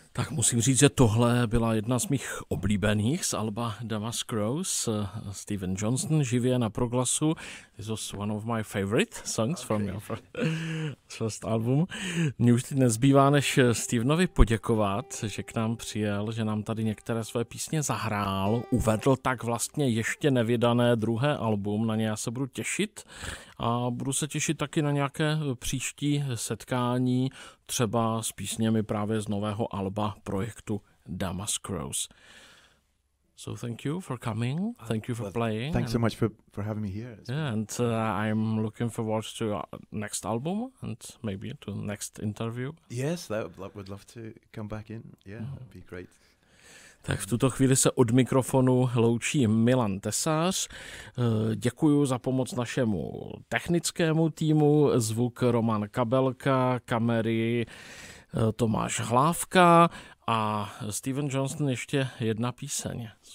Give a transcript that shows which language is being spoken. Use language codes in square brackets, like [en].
[cs] musím říct, že tohle byla jedna z mých oblíbených z alba Damask Rose, Steven Johnson, živě na Proglasu. [en] This was one of my favorite songs from your first album. [cs] Mně už teď nezbývá, než Stevenovi poděkovat, že k nám přijel, že nám tady některé své písně zahrál, uvedl tak vlastně ještě nevydané druhé album, na ně já se budu těšit a budu se těšit taky na nějaké příští setkání, třeba s písněmi právě z nového alba projektu Damask Rose. [en] So thank you for coming. Thank you for playing. Thanks so much for having me here. Yeah, and I'm looking forward to your next album and maybe to the next interview. Yes, that would love to come back in. Yeah, that'd be great. [cs] Tak v tuto chvíli se od mikrofonu loučí Milan Tesař. Děkuju za pomoc našemu technickému týmu, zvuk Roman Kabelka, kamery Tomáš Hlávka a Steven Johnson ještě jedna píseň.